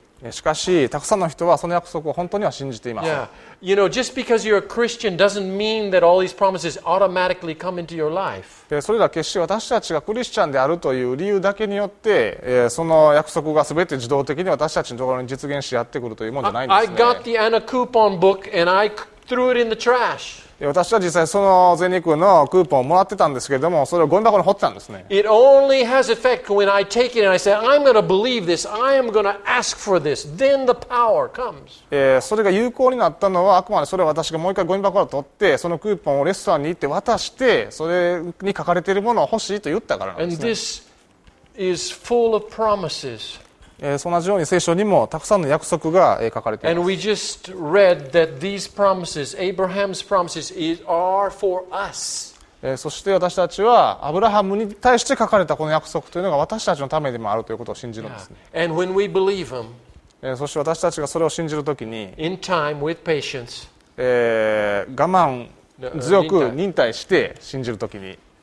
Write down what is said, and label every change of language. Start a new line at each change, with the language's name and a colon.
Japanese: しかし、たくさんの人はその約束を本当には信じていません。
English: You know, just because you're a Christian doesn't mean that all these promises automatically come into your life.
Japanese: それら決して私たちがクリスチャンであるという理由だけによって、その約束が全て自動的に私たちのところに実現しやってくるというものじゃないんですね。
English: I got the Anna coupon book and I threw it in the trash.
Japanese: 私は実際その全日空のクーポンをもらってたんですけれども、それをゴミ箱に放ってたんですね。
English: It only has effect when I take it and I say, I'm going to believe this. I am going to ask for this. Then the power comes.
Japanese: それが有効になったのは、あくまでそれは私がもう一回ゴミ箱を取って、そのクーポンをレストランに行って渡して、それに書かれているものを欲しいと言ったからなんですね。
English: And this is full of promises.
Japanese: そんな状況に聖書にもたくさんの約束が書かれています。
English: And we just read that these promises, Abraham's promises, are for us.
Japanese: そして私たちはアブラハムに対して書かれたこの約束というのが私たちのためでもあるということを信じるんですね。
English: Yeah. And when we believe him,
Japanese: そして私たちがそれを信じるときに、
English: in time with patience,
Japanese: 我慢強く忍耐して信じるときに。